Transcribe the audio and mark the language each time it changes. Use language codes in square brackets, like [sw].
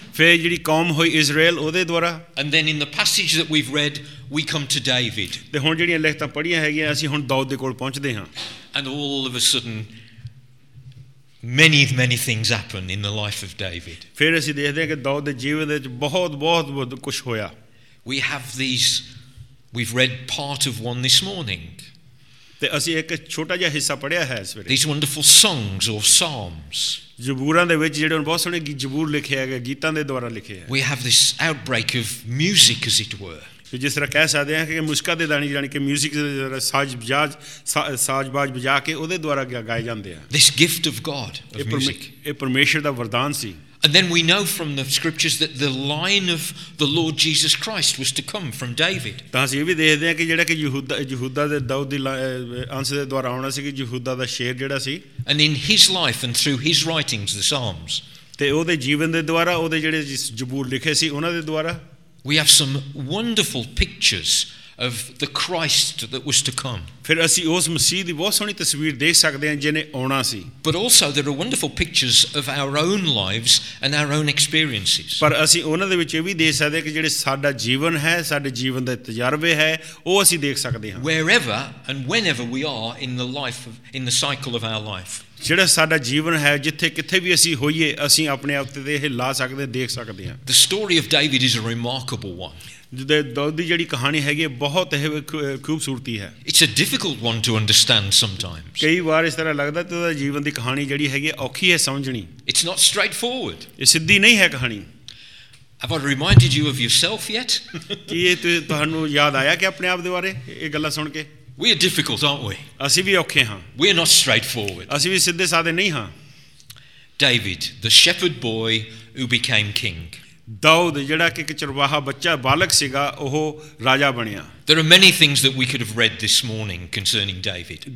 [pa] ਫਿਰ ਜਿਹੜੀ ਕੌਮ ਹੋਈ ਇਜ਼ਰਾਇਲ ਉਹਦੇ ਦੁਆਰਾ [en] and then in the passage that we've read we come to David [pa] ਤੇ ਹੁਣ ਜਿਹੜੀਆਂ ਲਿਖਤਾਂ ਪੜ੍ਹੀਆਂ ਹੈਗੀਆਂ ਅਸੀਂ ਹੁਣ ਦਾਊਦ ਦੇ ਕੋਲ ਪਹੁੰਚਦੇ ਹਾਂ [en] and all of a sudden many things happen in the life of David [pa] ਫਿਰ ਅਸੀਂ ਦੇਖਦੇ ਹਾਂ ਕਿ ਦਾਊਦ ਦੇ ਜੀਵਨ ਵਿੱਚ ਬਹੁਤ ਬਹੁਤ ਕੁਝ ਹੋਇਆ [en] we have these we've read part of one this morning [pa] ਤੇ ਅਸੀਂ ਇੱਕ ਛੋਟਾ ਜਿਹਾ ਹਿੱਸਾ ਪੜਿਆ ਹੈ ਇਸ ਵੇਲੇ [en] these wonderful songs or psalms [pa] ਜਬੂਰਾਂ ਦੇ ਵਿੱਚ ਜਿਹੜੇ ਬਹੁਤ ਸੋਹਣੇ ਜਬੂਰ ਲਿਖੇ ਹੈਗੇ ਗੀਤਾਂ ਦੇ ਦੁਆਰਾ ਲਿਖੇ ਹੈ [en] we have this outbreak of music as it were [pa] ਜਿਸ ਤਰ੍ਹਾਂ ਕਹਿ ਸਕਦੇ ਹਾਂ ਕਿ ਮੁਸਕਾ ਦੇ ਦਾਣੀ ਜਾਣੀ ਕਿ ਮਿਊਜ਼ਿਕ ਦੇ ਦੁਆਰਾ ਸਾਜ਼ਬਾਜ ਵਜਾ ਕੇ ਉਹਦੇ ਦੁਆਰਾ ਗਾਏ ਜਾਂਦੇ ਆ [en] this gift of God of music [pa] ਇਹ ਪਰਮੇਸ਼ਰ ਦਾ ਵਰਦਾਨ ਸੀ [en] and then we know from the scriptures that the line of the Lord Jesus Christ was to come from David [pa] ਤਾਂ ਅਸੀਂ ਇਹ ਵੀ ਦੇਖਦੇ ਹਾਂ ਕਿ ਜਿਹੜਾ ਕਿ ਯਹੂਦਾ ਦੇ ਦਾਊਦ ਦੀ ਅੰਸ਼ ਦੇ ਦੁਆਰਾ ਆਉਣਾ ਸੀ ਕਿ ਯਹੂਦਾ ਦਾ ਸ਼ੇਰ ਜਿਹੜਾ ਸੀ [en] and in his life and through his writings the Psalms [pa] ਤੇ ਉਹਦੇ ਜੀਵਨ ਦੇ ਦੁਆਰਾ ਉਹਦੇ ਜਿਹੜੇ ਜਬੂਰ ਲਿਖੇ ਸੀ ਉਹਨਾਂ ਦੇ ਦੁਆਰਾ [en] We have some wonderful pictures of the Christ that was to come. [pa] ਫਿਰ ਅਸੀਂ ਉਸ ਮਸੀਹ ਦੀ ਬਹੁਤ ਸੋਹਣੀ ਤਸਵੀਰ ਦੇਖ ਸਕਦੇ ਹਾਂ ਜਿਹਨੇ ਆਉਣਾ ਸੀ. [en] But also there are wonderful pictures of our own lives and our own experiences. [pa] ਪਰ ਅਸੀਂ ਉਹਨਾਂ ਦੇ ਵਿੱਚ ਇਹ ਵੀ ਦੇਖ ਸਕਦੇ ਹਾਂ ਕਿ ਜਿਹੜੇ ਸਾਡਾ ਜੀਵਨ ਹੈ, ਸਾਡੇ ਜੀਵਨ ਦੇ ਤਜਰਬੇ ਹੈ, ਉਹ ਅਸੀਂ ਦੇਖ ਸਕਦੇ ਹਾਂ. [en] Wherever and whenever we are in the life of in the cycle of our life. [pa] ਜਿਹੜਾ ਸਾਡਾ ਜੀਵਨ ਹੈ ਜਿੱਥੇ ਕਿੱਥੇ ਵੀ ਅਸੀਂ ਹੋਈਏ ਅਸੀਂ ਆਪਣੇ ਆਪ ਤੇ ਇਹ ਲਾ ਸਕਦੇ ਦੇਖ ਸਕਦੇ ਹਾਂ [en] the story of David is a remarkable one [pa] Dawood ਦੀ ਜਿਹੜੀ ਕਹਾਣੀ ਹੈਗੀ ਬਹੁਤ ਇਹ ਖੂਬਸੂਰਤੀ ਹੈ [en] it's a difficult one to understand sometimes [pa] ਕਈ ਵਾਰ ਇਸ ਤਰ੍ਹਾਂ ਲੱਗਦਾ ਤੇ ਉਹਦਾ ਜੀਵਨ ਦੀ ਕਹਾਣੀ ਜਿਹੜੀ ਹੈਗੀ ਔਖੀ ਹੈ ਸਮਝਣੀ [en] it's not straightforward [pa] ਇਹ ਸਿੱਧੀ ਨਹੀਂ ਹੈ ਕਹਾਣੀ [en] Have I reminded you of yourself yet? [pa] ਕੀ ਤੁਹਾਨੂੰ ਯਾਦ ਆਇਆ ਕਿ ਆਪਣੇ ਆਪ ਦੇ ਬਾਰੇ ਇਹ ਗੱਲਾਂ ਸੁਣ ਕੇ [en] We are difficult, aren't we? [pa] Asi vi okhe haan. [en] We are not straightforward. [pa] Asi vi sidhe saadhe nahi haan. [en] David, the shepherd boy who became king. [pa] Daud, jehda ke charwaha bachcha balak siga, oh raja baniya. [en] There are many things that we could have read this morning concerning David.